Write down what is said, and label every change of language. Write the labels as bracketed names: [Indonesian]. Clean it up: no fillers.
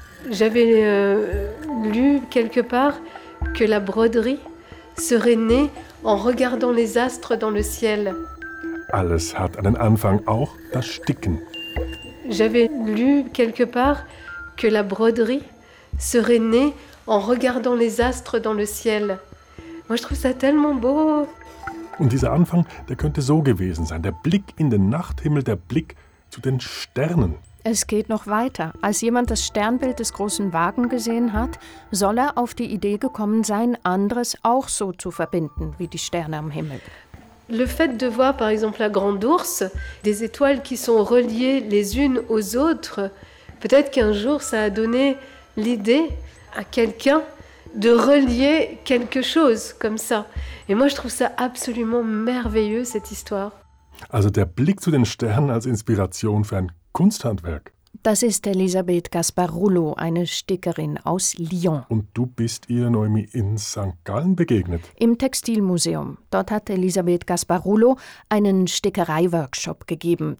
[French] J'avais lu quelque part que la broderie serait née en regardant les astres dans le ciel. [German] Alles hat einen Anfang, auch das Sticken. [French] J'avais lu quelque part que la broderie serait née en regardant les astres dans le ciel. Moi, je trouve ça tellement beau. [German] Und dieser Anfang, der könnte so gewesen sein. Der Blick in den Nachthimmel, der Blick zu den Sternen. Es geht noch weiter. Als jemand das Sternbild des großen Wagen gesehen hat, soll er auf die Idee gekommen sein, anderes auch so zu verbinden wie die Sterne am Himmel. [French] Le fait de voir par exemple la grande ours, des étoiles qui sont reliées les unes aux autres, peut-être qu'un jour ça a donné l'idée à quelqu'un de relier quelque chose comme ça. Et moi je trouve ça absolument merveilleux cette histoire. [German] Also der Blick zu den Sternen als Inspiration für ein Kunsthandwerk. Das ist Elisabeth Gasparullo, eine Stickerin aus Lyon. Und du bist ihr, Noemi, in St. Gallen begegnet? Im Textilmuseum. Dort hat Elisabeth Gasparullo einen Stickerei-Workshop gegeben.